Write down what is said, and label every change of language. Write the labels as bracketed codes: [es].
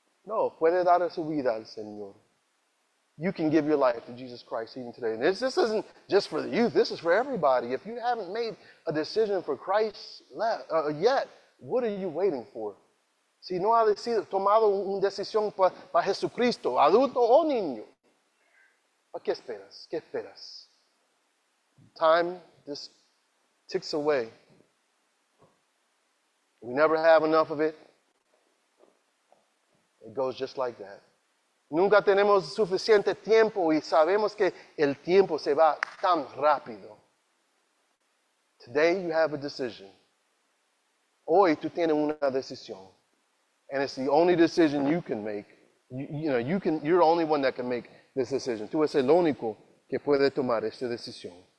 [es] No, puede dar su vida al Señor. [en] You can give your life to Jesus Christ even today. And this isn't just for the youth. This is for everybody. If you haven't made a decision for Christ yet, what are you waiting for? [es] Si no ha tomado una decisión para Jesucristo, adulto o niño, ¿a qué esperas? ¿Qué esperas? [en] Time just ticks away. We never have enough of it. It goes just like that. [es] Nunca tenemos suficiente tiempo y sabemos que el tiempo se va tan rápido. [en] Today you have a decision. [es] Hoy tú tienes una decisión. [en] And it's the only decision you can make. You're the only one that can make this decision. [es] Tú eres el único que puede tomar esta decisión.